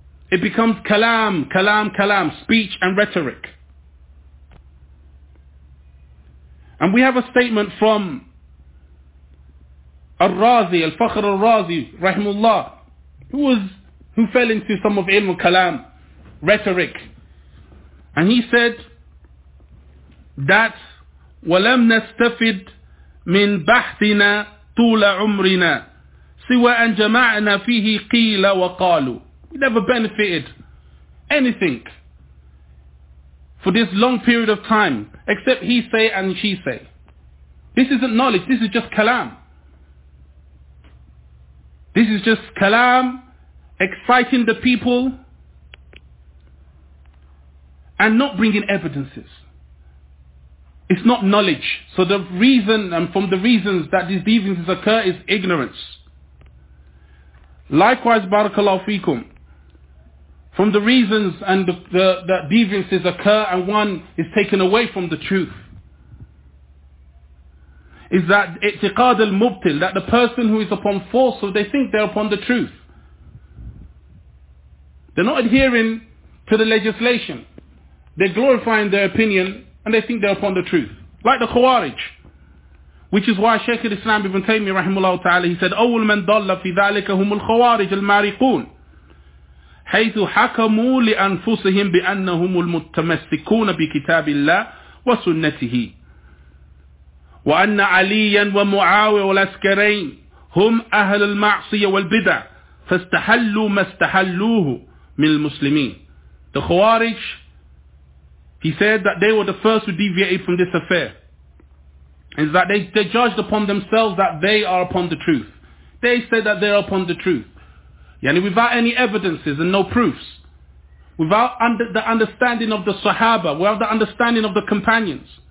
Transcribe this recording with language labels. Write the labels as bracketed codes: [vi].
[en] It becomes kalam, kalam, kalam, speech and rhetoric. And we have a statement from Al-Razi, Al-Fakhr Al-Razi, rahimullah, who fell into some of ilm al-kalam, rhetoric. And he said that, [ar] وَلَمْ نَسْتَفِدْ مِنْ بَحْثِنَا طُولَ عُمْرِنَا سِوَا أَنْ جَمَعْنَا فِيهِ قِيلَ وَقَالُوا. [en] We never benefited anything for this long period of time, except he say and she say. This isn't knowledge, this is just kalam. This is just kalam, exciting the people, and not bringing evidences. It's not knowledge. So the reason, and from the reasons that these deviances occur, is ignorance. Likewise, barakallahu feekum, from the reasons and the deviances occur, and one is taken away from the truth, is that i'tiqad al-mubtil, that the person who is upon falsehood, so they think they're upon the truth. They're not adhering to the legislation. They're glorifying their opinion, and they think they're upon the truth. Like the Khawarij. [ar] Which is why Shaykh al-Islam ibn Taymiyyah rahimahullah ta'ala, he said, أول من ضل في ذلك هم الخوارج المارقون حيث حكموا لأنفسهم بأنهم المتمسكون بكتاب الله وسنته وَأَنَّ عَلِيًّا وَمُعَاوِيَ وَالْأَسْكَرَيْنِ هُمْ أَهْلُ الْمَعْصِيَةِ وَالْبِدْعِ فَاسْتَحَلُّوا مَا اسْتَحَلُّوهُ مِنَ الْمُسْلِمِينَ. [en] The Khawarij, he said that they were the first who deviated from this affair. Is that they judged upon themselves that they are upon the truth. They said that they are upon the truth. Yani without any evidences and no proofs. Without the understanding of the Sahaba, without the understanding of the companions.